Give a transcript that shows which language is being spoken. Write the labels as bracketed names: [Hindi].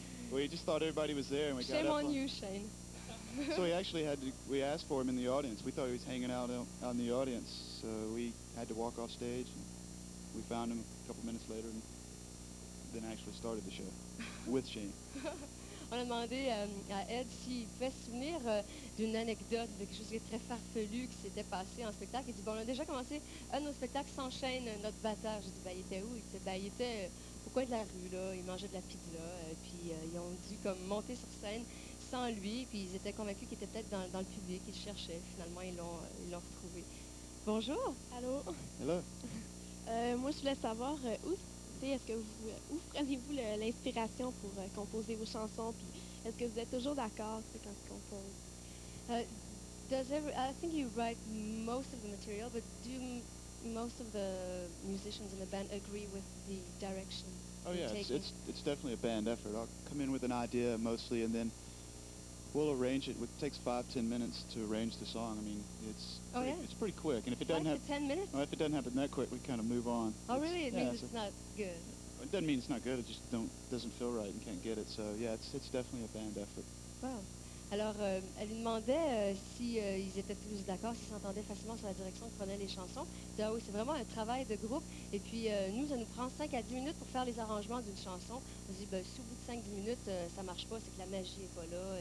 [English] We just thought everybody was there and we Shame got up. Shame on you, Shane. So we asked for him in the audience. We thought he was hanging out in the audience. So we had to walk off stage. And we found him a couple minutes later and then actually started the show with Shane. [French] On a demandé à Ed s'il pouvait se souvenir d'une anecdote, de quelque chose de très farfelu qui s'était passé en spectacle. Il dit, bon, on a déjà commencé un de nos spectacles sans Shane, notre batteur. J'ai dit, ben, il était où? Il dit, ben, il était au coin de la rue, là. Il mangeait de la pizza. Puis ils ont dû comme monter sur scène sans lui. Puis ils étaient convaincus qu'il était peut-être dans le public. Ils cherchaient. Finalement, ils l'ont retrouvé. Bonjour. Allô. [English] Hello. [French] Moi, je voulais savoir où prenez-vous l'inspiration pour composer vos chansons, puis est-ce que vous êtes toujours d'accord quand tu composes? [English] I think you write most of the material, but do most of the musicians in the band agree with the direction? Oh yeah, it's definitely a band effort. I'll come in with an idea mostly, and then we'll arrange it. It takes 5-10 minutes to arrange the song. I mean, it's pretty quick. And if it doesn't happen 10 minutes, if it doesn't happen that quick, we kind of move on. Oh, really? It means it's not good. It doesn't mean it's not good. It just doesn't feel right and can't get it. So yeah, it's definitely a band effort. Wow. [French] Alors, elle lui demandait si ils étaient tous d'accord, s'ils s'entendaient facilement sur la direction que prenaient les chansons. Disait, oui, c'est vraiment un travail de groupe. Et puis nous, ça nous prend 5 à 10 minutes pour faire les arrangements d'une chanson. On se dit, si au bout de 5-10 minutes, ça marche pas, c'est que la magie est pas là.